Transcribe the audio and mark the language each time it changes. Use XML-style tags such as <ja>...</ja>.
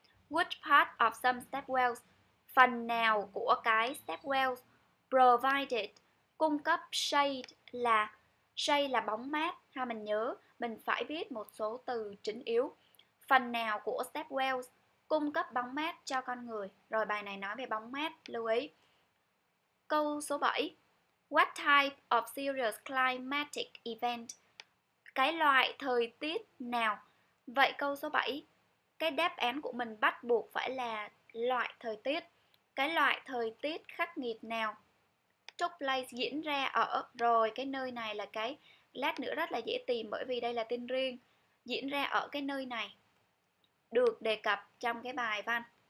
<en>Which part of some stepwells,</en> <vi>phần nào của cái stepwells, provided, cung cấp shade là bóng mát ha. Mình nhớ mình phải viết một số từ chính yếu. Phần nào của stepwells cung cấp bóng mát cho con người. Rồi bài này nói về bóng mát, lưu ý. Câu số 7.</vi> <en>What type of serious climatic event?</en> <vi>Cái loại thời tiết nào? Vậy câu số 7, cái đáp án của mình bắt buộc phải là loại thời tiết. Cái loại thời tiết khắc nghiệt nào took place, diễn ra ở, rồi cái nơi này là cái, lát nữa rất là dễ tìm bởi vì đây là tên riêng, diễn ra ở cái nơi này, được đề cập trong cái bài văn.</vi>